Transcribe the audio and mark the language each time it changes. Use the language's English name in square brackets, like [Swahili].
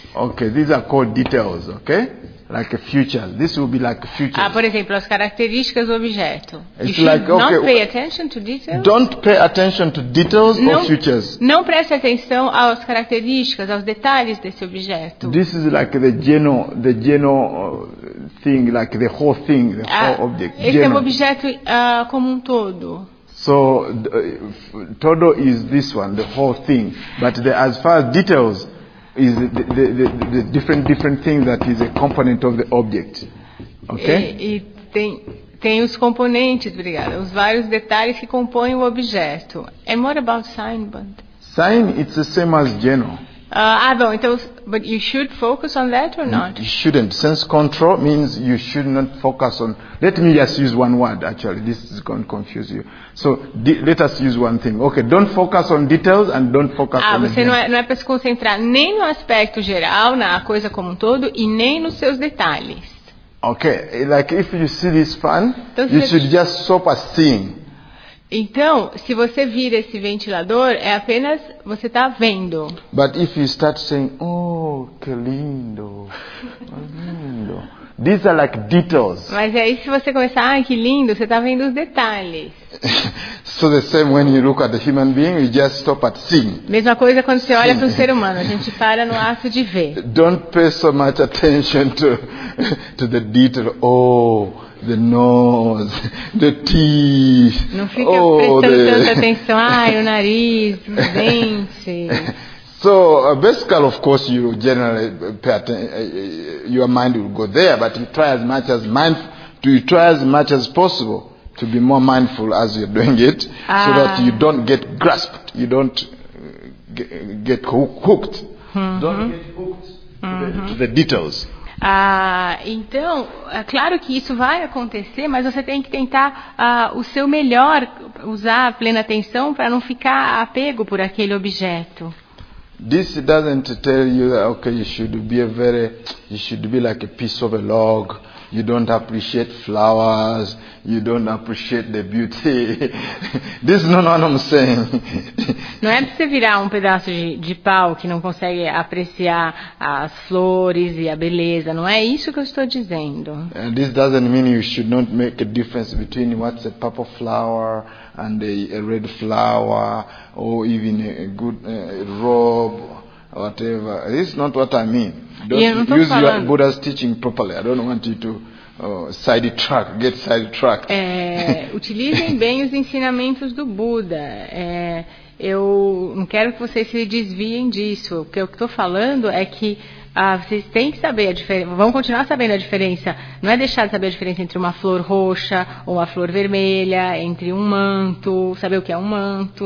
[English] Okay, these are called details, okay? Like a future. This will be like a future. [Portuguese] Ah, por exemplo, as características do objeto. [English] It's like, not pay attention to details. Don't pay attention to details or futures. [Portuguese] Não preste atenção às características, aos detalhes desse objeto. [English] This is like the general thing, like the whole thing, the whole object. [Portuguese] Esse é um objeto como um todo. [English] So, todo is this one, the whole thing. But as far as details, is the different thing that is a component of the object. Okay? [Portuguese] E tem os componentes, obrigada. Os vários detalhes que compõem o objeto. [English] And what about sign, but? Sign, it's the same as general. But you should focus on that or not? You shouldn't. Sense control means you should not focus on. Let me just use one word, actually. This is going to confuse you. So, let us use one thing. Okay, don't focus on details and don't focus on. [Portuguese] Ah, você não é para se concentrar nem no aspecto geral, na coisa como um todo, e nem nos seus detalhes. [English] Okay, like if you see this fan, então, you should just stop at seeing. [Portuguese] Então, se você vir esse ventilador, é apenas você está vendo. [English] But if you start saying, [Portuguese] oh, que lindo, lindo. [English] These are like details. [Portuguese] Mas aí se você começar, ah, que lindo, você está vendo os detalhes. [English] So the same when you look at the human being, you just stop at seeing. [Portuguese] Mesma coisa quando você olha para um ser humano, a gente para no ato de ver. [English] Don't pay so much attention to the detail. Oh, the nose, the teeth. [Portuguese] Não fique prestando tanta atenção. Ai, o nariz, os dentes. [English] So basically, of course, you generally pay attention, your mind will go there, but you try as much as possible to be more mindful as you're doing it, so that you don't get grasped, you don't get hooked. Mm-hmm. Don't get hooked to the details. [Portuguese] Então, é claro que isso vai acontecer, mas você tem que tentar o seu melhor, usar a plena atenção para não ficar apego por aquele objeto. [English] This doesn't tell you that, okay, you should be like a piece of a log. You don't appreciate flowers. You don't appreciate the beauty. This is not what I'm saying. [Portuguese] Não é para você virar um pedaço de pau que não consegue apreciar as flores e a beleza. Não é isso que eu estou dizendo. [English] And this doesn't mean you should not make a difference between what's a purple flower and a red flower, or even a good robe, whatever. This is not what I mean. Don't use your Buddha's teaching properly. I don't want you to get sidetrack. [Portuguese] Utilizem bem os ensinamentos do Buda. Eu não quero que vocês se desviem disso. O que eu estou falando é que vocês têm que saber a diferença. Vão continuar sabendo a diferença. Não é deixar de saber a diferença entre uma flor roxa ou uma flor vermelha, entre um manto, saber o que é um manto.